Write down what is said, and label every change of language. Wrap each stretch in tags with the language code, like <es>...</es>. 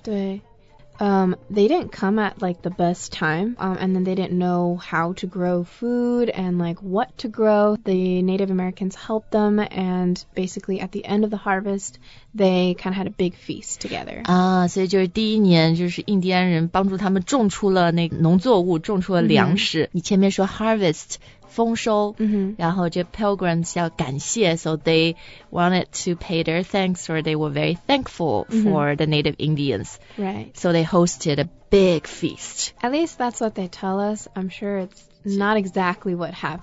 <en>对they didn't come at like the best time, and then they didn't know how to grow food and like what to grow. The Native Americans helped them, and basically at the end of the harvest, they kind of had a big feast together.</en> <zh>啊，所以就是第一年，就是印第安人帮助他们种出了那农作物，种出了粮食。 Mm-hmm. 你前面说 harvest 丰收， mm-hmm. 然后这 pilgrims 要感谢</zh> <en>，so they wanted to pay their thanks, or they were very thankful for、mm-hmm. the Native Indians. Right. So they hosted a big feast. At least that's what they tell us. I'm sure it's not exactly what happened.</en>